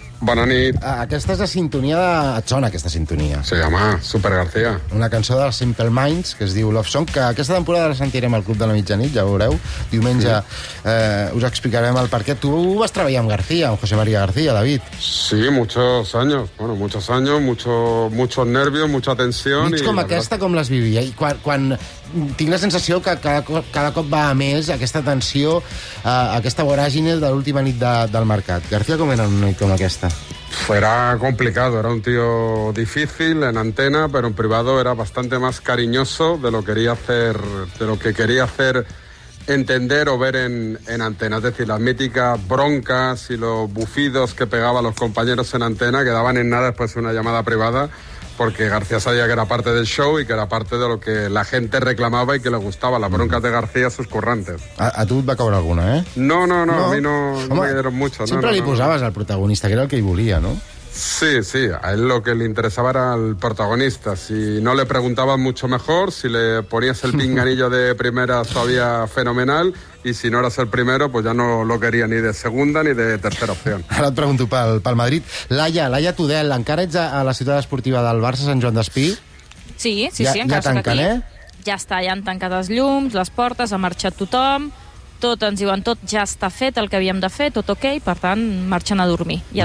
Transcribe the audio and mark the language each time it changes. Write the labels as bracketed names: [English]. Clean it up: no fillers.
[Catalan] Bona nit. Aquesta és la sintonia de Xona, aquesta sintonia. Sí, home, Super García. Una cançó de Simple Minds, que es diu Love Song, que aquesta temporada la sentirem al Club de la Mitjanit, ja ho veureu. Diumenge us explicarem el perquè. Tu vas treballar amb García, amb José María García, David. [Spanish] Sí, muchos años. Bueno, muchos años, muchos nervios, mucha tensión. [Catalan] Nits com aquesta, com les vivia? I quan tinc la sensació que cada cop va a més aquesta tensió, aquesta voràgine de l'última nit del mercat. García, com era una nit com aquesta? [Spanish] Era complicado, era un tío difícil en antena, pero en privado era bastante más cariñoso de lo que quería hacer entender o ver en antena. Es decir, las míticas broncas y los bufidos que pegaba a los compañeros en antena quedaban en nada después de una llamada privada, porque García sabía que era parte del show y que era parte de lo que la gente reclamaba y que le gustaba, las broncas de García a sus currantes. [Catalan] A tu et va caure alguna, eh? [Spanish] No, a mi no, home, no me dieron mucho. [Catalan] Sempre li posaves al protagonista, que era el que hi volia, no? [Spanish] Sí, a él lo que le interesaba era el protagonista. Si no le preguntabas mucho mejor, si le ponías el pinganillo de primera todavía fenomenal, y si no eras el primero, pues ya no lo quería ni de segunda ni de tercera opción. [Catalan] Ara et pregunto pel Madrid. Laia Tudel, encara ets a la ciutat esportiva del Barça, Sant Joan d'Espí? Sí, encara sóc aquí. Ja han tancat els llums, les portes, ha marxat tothom... Tot, ens diuen, tot ja està fet, el que havíem de fer, tot ok, per tant, marxen a dormir i a